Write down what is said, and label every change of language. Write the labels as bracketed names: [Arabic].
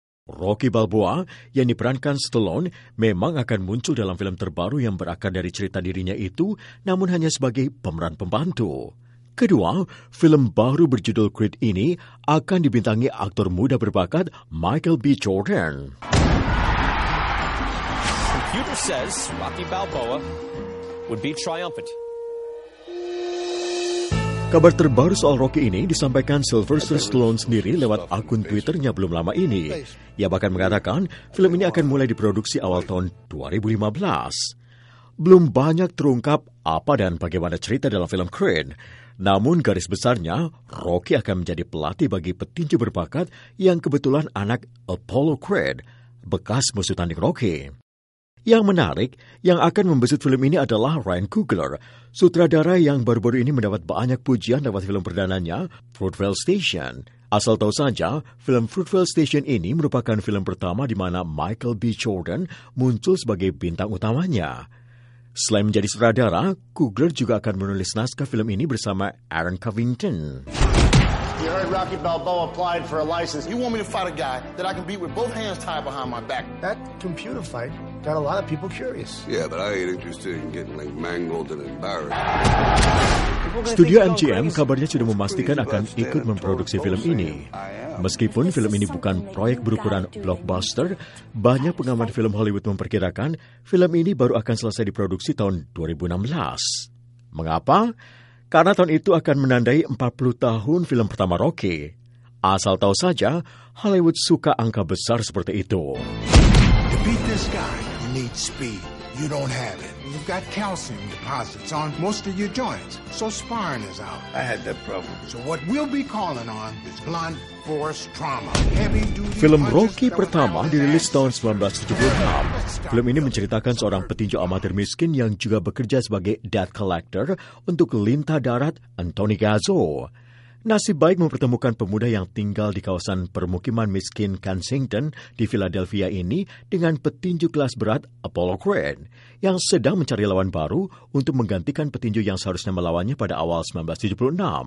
[Indonesian] Rocky Balboa, yang diperankan Stallone, memang akan muncul dalam film terbaru yang berakar dari cerita dirinya itu, namun hanya sebagai pemeran pembantu. Kedua, film baru berjudul Creed ini akan dibintangi aktor muda berbakat Michael B. Jordan. [English] Computer says Rocky Balboa would be triumphant. [Indonesian] Kabar terbaru soal Rocky ini disampaikan Sylvester Stallone sendiri lewat akun Twitternya belum lama ini. Ia bahkan mengatakan film ini akan mulai diproduksi awal tahun 2015. Belum banyak terungkap apa dan bagaimana cerita dalam film Creed. Namun garis besarnya, Rocky akan menjadi pelatih bagi petinju berbakat yang kebetulan anak Apollo Creed, bekas musuh tanding Rocky. Yang menarik, yang akan membesut film ini adalah Ryan Coogler, sutradara yang baru-baru ini mendapat banyak pujian lewat film perdananya, Fruitvale Station. Asal tahu saja, film Fruitvale Station ini merupakan film pertama di mana Michael B. Jordan muncul sebagai bintang utamanya. Selain menjadi sutradara, Coogler juga akan menulis naskah film ini bersama Aaron Covington. [English] You heard Rocky Balboa applied for a license. You want me to fight a guy that I can beat with both hands tied behind my back? That computer fight got a lot of people curious. Yeah, but I ain't interested in getting like mangled and embarrassed. [Indonesian] Studio MGM kabarnya sudah memastikan akan ikut memproduksi film ini. Meskipun film ini bukan proyek berukuran blockbuster, banyak pengamat film Hollywood memperkirakan film ini baru akan selesai diproduksi tahun 2016. Mengapa? Karena tahun itu akan menandai 40 tahun film pertama Rocky. Asal tahu saja, Hollywood suka angka besar seperti itu. [English] To beat this guy, you need speed. You don't have it. You've got calcium deposits on most of your joints, so sparring is out. I had that problem. So what we'll be calling on is blunt force trauma. [Indonesian] Film Rocky pertama dirilis tahun 1976. Film ini menceritakan seorang petinju amatir miskin yang juga bekerja sebagai debt collector untuk lintah darat Anthony Gazzo. Nasib baik mempertemukan pemuda yang tinggal di kawasan permukiman miskin Kensington di Philadelphia ini dengan petinju kelas berat Apollo Creed yang sedang mencari lawan baru untuk menggantikan petinju yang seharusnya melawannya pada awal 1976.